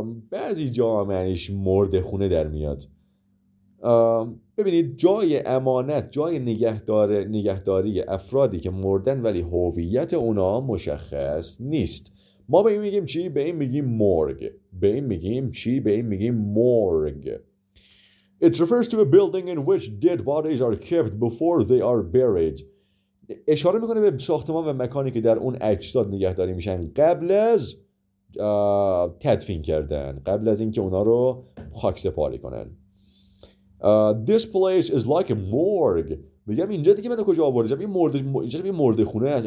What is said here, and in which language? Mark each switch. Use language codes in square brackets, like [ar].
[fa] بعضی جا معنیش مرد خونه در میاد. ببینید جای امانت، جای نگهداری افرادی که مردن ولی هویت اونا مشخص نیست. ما به این میگیم چی؟ به این میگیم مورگ. به این میگیم چی؟ به این میگیم مورگ. [en] It refers to a building in which dead bodies are kept before they are buried. [fa] اشاره میکنه به ساختمان و مکانی که در اون اجساد نگهداری میشن قبل از تدفین کردن، قبل از اینکه اونا رو خاک سپاری کنن. [en] This place is like a morgue. [fa] میگم اینجا دیگه منو کجا آوردم؟ این مرده، اینجا یه مرده خونه است.